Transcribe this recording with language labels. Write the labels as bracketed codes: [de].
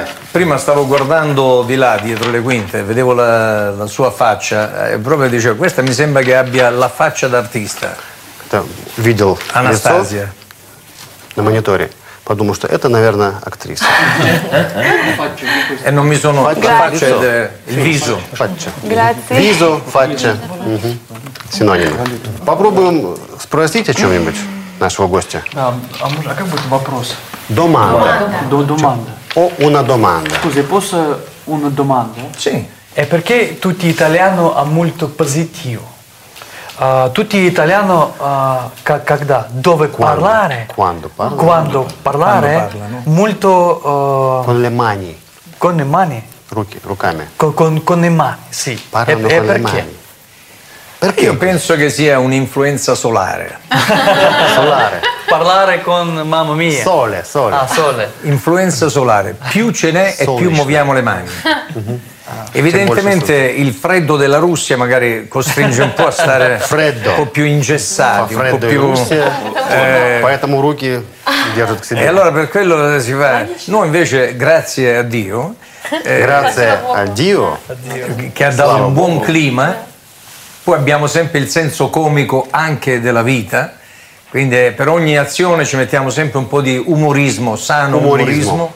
[it] Prima stavo guardando di là, dietro le quinte, vedevo la sua faccia e proprio dicevo, questa mi sembra che abbia la faccia d'artista. [ru] Видел Анастасия на мониторе. Подумал, что это, наверное, актриса. [it] E non mi sono faccia, il viso. Faccia. Grazie. Viso, faccia. [ru] Синонимы. Попробуем спросить о чем-нибудь нашего гостя. Да, а как будет вопрос? [it] Domanda. Domanda. O una domanda. Scusi, posso una domanda? Sì. E perché tutti italiano ha molto positivo? Tutti italiano [ru] когда, [it] dove parlare? Quando parlare? Quando parlare? Parla, molto con le mani. Con le mani? [ru] Ruki, rukami. [it] Con le mani, sì. Parlano con perché? Le mani. Perché? Io penso che sia un'influenza solare. Solare. Parlare con mamma mia. Sole, sole. Ah, sole. Influenza solare. Più ce n'è e più muoviamo le mani. Evidentemente il freddo della Russia magari costringe un po' a stare freddo. Un po' più ingessati. Fa freddo un po' più. [ru] Поэтому руки держат к себе. [it] E allora per quello si fa. Noi invece, grazie a Dio. Grazie a Dio. Che ha dato un buon clima. Poi abbiamo sempre il senso comico anche della vita, quindi per ogni azione ci mettiamo sempre un po' di umorismo, sano umorismo.